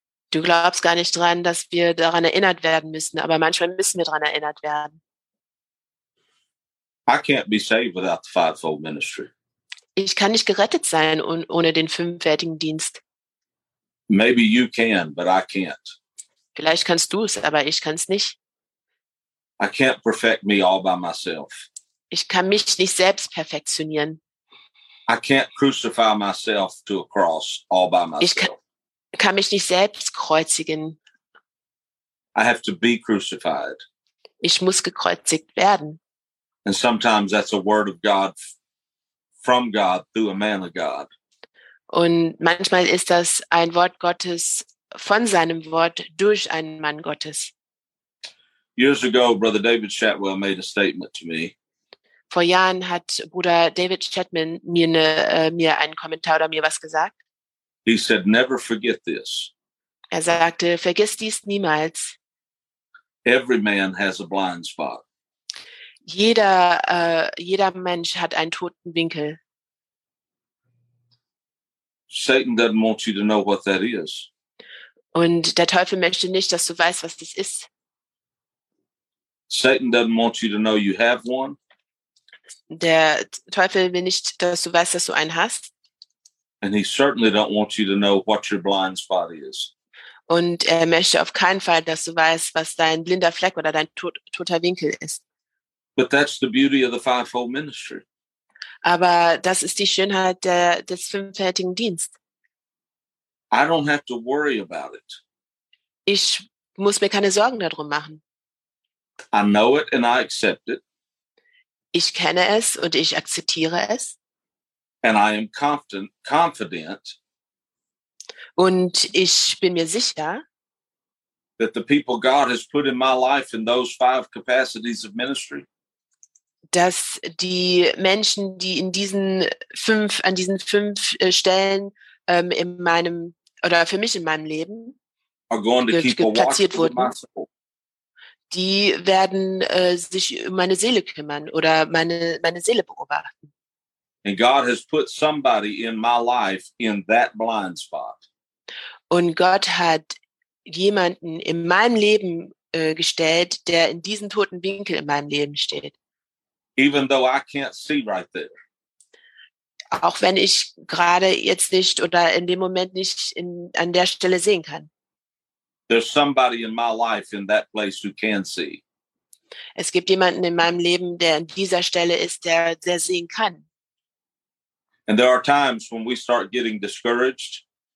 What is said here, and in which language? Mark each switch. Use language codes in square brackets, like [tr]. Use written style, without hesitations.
[de] Du glaubst gar nicht dran, dass wir daran erinnert werden müssen, aber manchmal müssen wir daran erinnert werden. [en] I can't be saved without the fivefold ministry. [de] Ich kann nicht gerettet sein ohne den fünffältigen Dienst. [en] Maybe you can, but I can't. [de] Vielleicht kannst du es, aber ich kann es nicht. [en] I can't perfect me all by myself. [de] Ich kann mich nicht selbst perfektionieren. [en] I can't crucify myself to a cross all by myself. [de] Ich kann mich nicht selbst kreuzigen. [en] I have to be crucified. [de] Ich muss gekreuzigt werden. [en] And sometimes that's a word of God from God through a man of God. [de] Und manchmal ist das ein Wort Gottes von seinem Wort durch einen Mann Gottes. [en] Years ago, Brother David Shatwell made a statement to me. [de] Vor Jahren hat Bruder David Chapman mir einen Kommentar oder mir was gesagt. [en] He said, "Never forget this." [de] Er sagte, vergiss dies niemals. [en] Every man has a blind spot. [de] Jeder Mensch hat einen toten Winkel. [en] Satan doesn't want you to know what that is. [de] Und der Teufel möchte nicht, dass du weißt, was das ist. [en] Satan doesn't want you to know you have one. [de] Der Teufel will nicht, dass du weißt, dass du einen hast. [en] And he certainly don't want you to know what your blind spot is. [de] Und er möchte auf keinen Fall, dass du weißt, was dein blinder Fleck oder dein toter Winkel ist. [en] But that's the beauty of the fivefold ministry. [de] Aber das ist die Schönheit des fünffältigen Dienst. [en] I don't have to worry about it. [de] Ich muss mir keine Sorgen darum machen. [en] I know it and I accept it. [de] Ich kenne es und ich akzeptiere es. [en] And I am confident. [de] Und ich bin mir sicher, [en] that the people God has put in my life in those five capacities of ministry, [de] dass die Menschen, die in diesen fünf, an diesen fünf Stellen in meinem oder für mich in meinem Leben platziert wurden, die werden sich um meine Seele kümmern oder meine Seele beobachten. [en] And God has put somebody in my life in that blind spot. [de] Und Gott hat jemanden in meinem Leben gestellt, der in diesem toten Winkel in meinem Leben steht. [en] Even though I can't see right there. [de] Auch wenn ich gerade jetzt nicht oder in dem Moment nicht an der Stelle sehen kann. [en] There's somebody in my life in that place who can see. [de] Es gibt jemanden in meinem Leben, der an dieser Stelle ist, der sehen kann. [en] And there are times when we start getting discouraged.